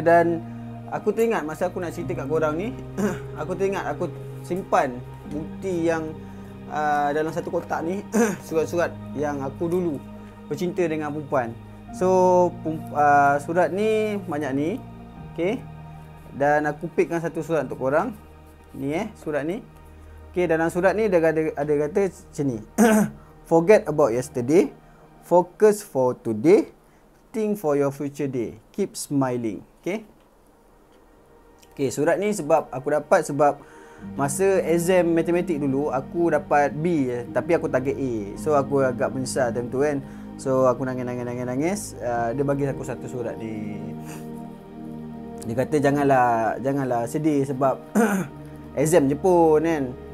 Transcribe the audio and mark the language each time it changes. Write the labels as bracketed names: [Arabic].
[Malay] Dan aku teringat masa aku nak cerita kat korang ni, aku teringat aku simpan bukti yang dalam satu kotak ni, surat-surat yang aku dulu bercinta dengan perempuan. So surat ni banyak ni, okay. Dan aku pickkan satu surat untuk korang. Ni surat ni. Okay, dalam surat ni ada kata macam ni. [English] Forget about yesterday, focus for today, think for your future day, keep smiling. Okay. [Malay] Okay, surat ni sebab aku dapat sebab masa exam matematik dulu aku dapat B tapi aku target A. So aku agak menyesal time tu kan. So aku nangis. Dia bagi aku satu surat ni. Dia kata janganlah sedih sebab exam je pun kan.